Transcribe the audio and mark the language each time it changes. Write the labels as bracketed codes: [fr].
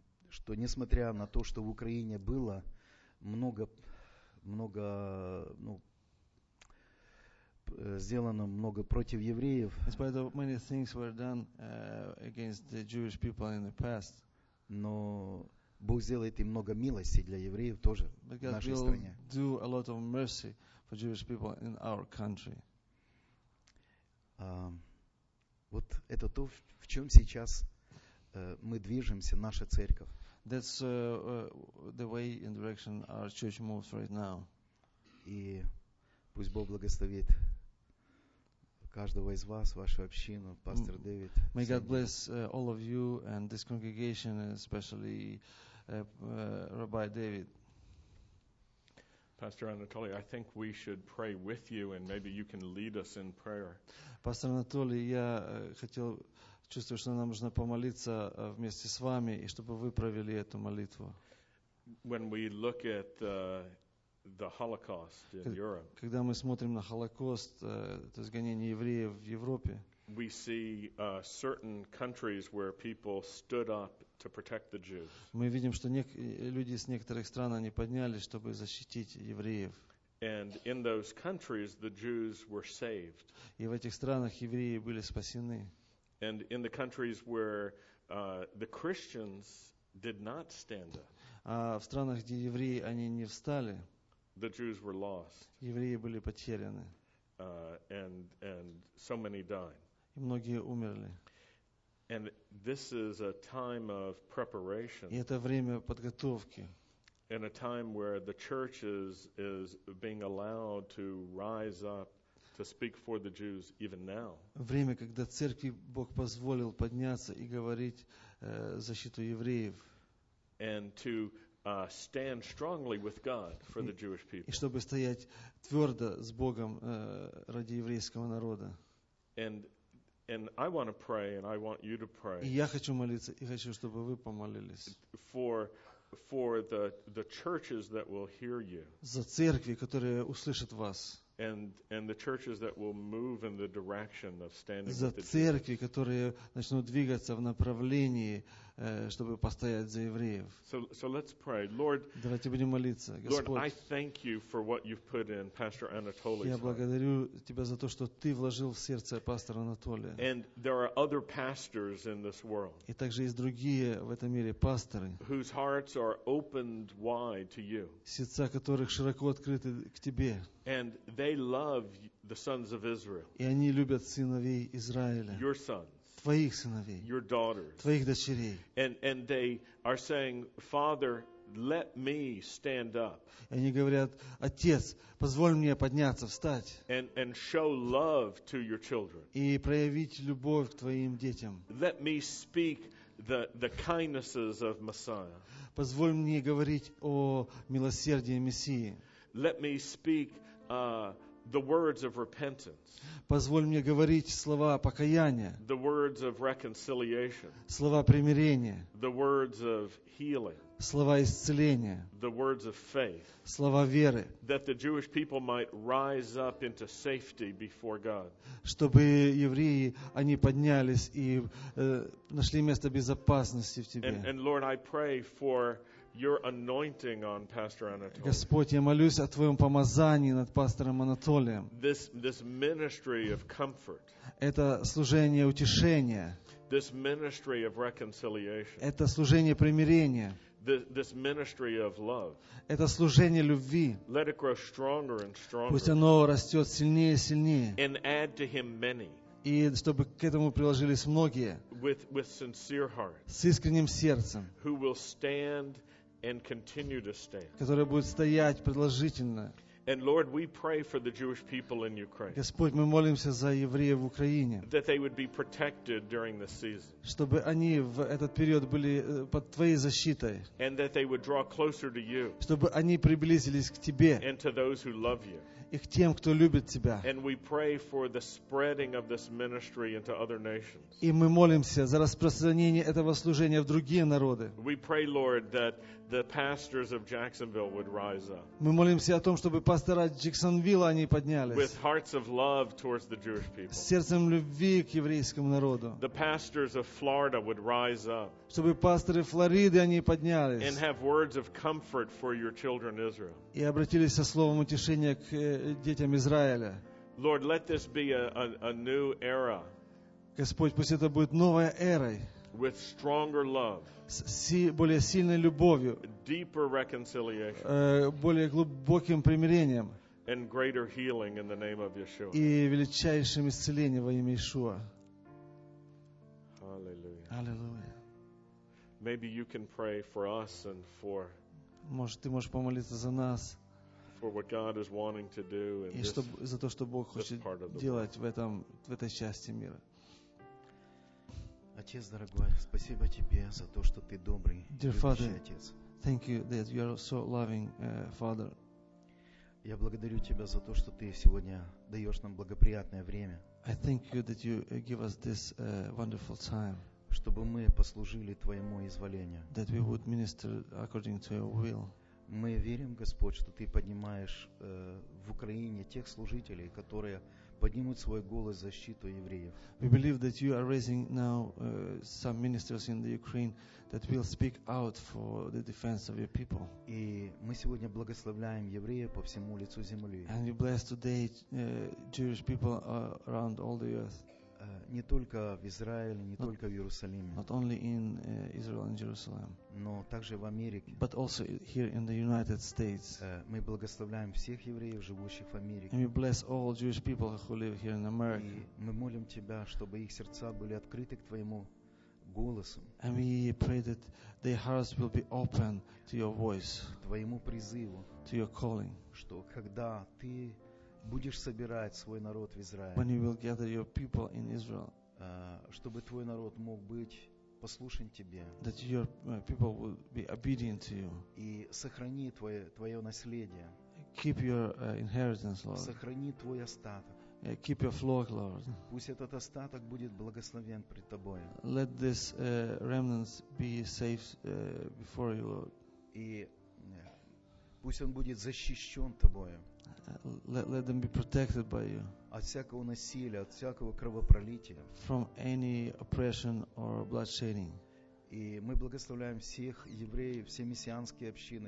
[ru] Что несмотря на то, что в Украине было много, ну, сделано много против евреев. [en] Despite of many things were done against the Jewish people in the past, [ru] но Бог сделает и много милости для евреев тоже в нашей стране. [en] Do a lot of mercy for Jewish people in our country. [ru] Вот это то, в чем сейчас мы движемся, наша церковь. [en] That's the way in direction our church moves right now. [ru] И пусть Бог благословит каждого из вас, вашу общину, пастор Дэвид. [en] May God bless all of you and this congregation, especially Rabbi David. Pastor Anatoly, I think we should pray with you and maybe you can lead us in prayer. [ru] Пастор Анатолий, я хотел чувствую, что нам нужно помолиться вместе с вами и чтобы вы провели эту молитву. [en] When we look at the Holocaust in Europe, [ru] когда мы смотрим на Холокост, то есть гонение евреев в Европе, [en] we see certain countries where people stood up to protect the Jews. [ru] Мы видим, что люди с некоторых стран они поднялись, чтобы защитить евреев. [en] And in those countries, the Jews were saved. [ru] И в этих странах евреи были спасены. [en] And in the countries where the Christians did not stand up, [ru] в странах, где евреи они не встали, [en] the Jews were lost. [ru] Евреи были потеряны. [en] And so many died. [ru] И многие умерли. [en] And this is a time of preparation. [ru] И это время подготовки. [en] And a time where the church is being allowed to rise up to speak for the Jews even now. [ru] Время, когда церкви Бог позволил подняться и говорить защиту евреев. [en] And to stand strongly with God for the Jewish people. [ru] И чтобы стоять твердо с Богом ради еврейского народа. [en] And I want to pray, and I want you to pray. [ru] И я хочу молиться, и хочу, чтобы вы помолились. [en] For the churches that will hear you. [ru] За церкви, которые услышат вас. [en] And the churches that will move in the direction of standing with the Jews. [ru] За церкви, которые начнут двигаться в направлении, чтобы постоять за евреев. [en] So let's pray. Lord, [ru] давайте будем молиться. Господь, [en] Lord, I thank you for what you've put in Pastor Anatoly's heart. [ru] Я благодарю тебя за то, что ты вложил в сердце пастора Анатолия. [en] And there are other pastors in this world. [ru] И также есть другие в этом мире пасторы. [en] Whose hearts are opened wide to you. [ru] Сердца которых широко открыты к тебе. [en] And they love the sons of Israel. [ru] И они любят сыновей Израиля. [en] Your sons. [ru] Твоих сыновей, [en] your daughters. [ru] Твоих дочерей. [en] And they are saying, Father, let me stand up. [ru] И они говорят, Отец, позволь мне подняться, встать. [en] And show love to your children. [ru] И проявить любовь к твоим детям. [en] Let me speak the kindnesses of Messiah. [ru] Позволь мне говорить о милосердии Мессии. [en] Let me speak the words of repentance. [ru] Позволь мне говорить слова покаяния. [en] The words of reconciliation. [ru] Слова примирения. [en] The words of healing. [ru] Слова исцеления. [en] The words of faith. [ru] Слова веры. [en] That the Jewish people might rise up into safety before God. [ru] Чтобы евреи они поднялись и нашли место безопасности в тебе. [en] And Lord, I pray for your anointing on Pastor Anatoly. [ru] Господь, я молюсь о твоем помазании над пастором Анатолием. [en] This ministry of comfort. [ru] Это служение утешения. [en] This ministry of reconciliation. [ru] Это служение примирения. [en] This ministry of love. [ru] Это служение любви. [en] Let it grow stronger and stronger. [ru] Пусть оно растет сильнее и сильнее. [en] And add to him many. [ru] И чтобы к этому приложились многие [en] with sincere hearts, [ru] с искренним сердцем, [en] who will stand and continue to stand. [ru] Которые будут стоять продолжительно. [en] And Lord, we pray for the Jewish people in Ukraine. [ru] Господь, мы молимся за евреев в Украине. [en] That they would be protected during this season. [ru] Чтобы они в этот период были под твоей защитой. [en] And that they would draw closer to you. [ru] Чтобы они приблизились к тебе. [en] And to those who love you. [ru] и к тем, кто любит тебя. [en] And we pray for the spreading of this ministry into other nations. [ru] И мы молимся за распространение этого служения в другие народы. [en] We pray, Lord, that the pastors of Jacksonville would rise up. [ru] Мы молимся о том, чтобы пастора Джексонвилла они поднялись. [en] With hearts of love towards the Jewish people. [ru] С сердцем любви к еврейскому народу. [en] The pastors of Florida would rise up. [ru] Чтобы пасторы Флориды они поднялись. [en] And have words of comfort for your children Israel. [ru] И обратились со словом утешения к детям Израиля. [en] Lord, let this be a new era. [ru] Господь, пусть это будет новая эра. [en] With stronger love. [ru] С более сильной любовью. [en] Deeper reconciliation. [ru] Более глубоким примирением. [en] And greater healing in the name of Yeshua. [ru] И величайшим исцелением во имя Иешуа. [en] Hallelujah. Hallelujah. Maybe you can pray for us and for. [ru] Может, ты можешь помолиться за нас. [en] For what God is wanting to do in this part of the world. [ru] И за то, что Бог хочет делать в этой части мира. Отец дорогой, спасибо тебе за то, что ты добрый. [en] Dear Father, thank you that you are so loving, Father. [ru] Я благодарю тебя за то, что ты сегодня даешь нам благоприятное время. [en] I thank you that you give us this wonderful time. [ru] Чтобы мы послужили твоему изволению. [en] That we would minister according to your will. [ru] Мы верим, Господь, что ты поднимаешь в Украине тех служителей, которые поднимут свой голос в защиту евреев. [en] We believe that you are raising now some ministers in the Ukraine that will speak out for the defense of your people. [ru] И мы сегодня благословляем евреев по всему лицу земли. [en] And we bless today Jewish people around all the earth. [ru] Не только в Израиле, не только в Иерусалиме. [en] Not only in Israel and Jerusalem. [ru] Но также в Америке. [en] But also here in the United States. [ru] Мы благословляем всех евреев, живущих в Америке. [en] And we bless all Jewish people who live here in America. [ru] И мы молим тебя, чтобы их сердца были открыты к твоему голосу. [en] And we pray that their hearts will be open to your voice. [ru] К твоему призыву. [en] To your calling. [ru] Что когда ты будешь собирать свой народ в Израиле. [en] When you will gather your people in Israel. [ru] Чтобы твой народ мог быть послушен тебе. [en] That your people will be obedient to you. [ru] И сохрани твое наследие. [en] Keep your inheritance, Lord. [ru] Сохрани твой остаток. [en] Keep your flock, Lord. [ru] Пусть этот остаток будет благословен пред тобой. [en] Let this remnant be safe before you, Lord. [ru] И пусть он будет защищен тобою. [en] Let them be protected by you. [ru] От всякого насилия, от всякого кровопролития. [en] From any oppression or bloodshedding. [ru] И мы благословляем всех евреев, все мессианские общины,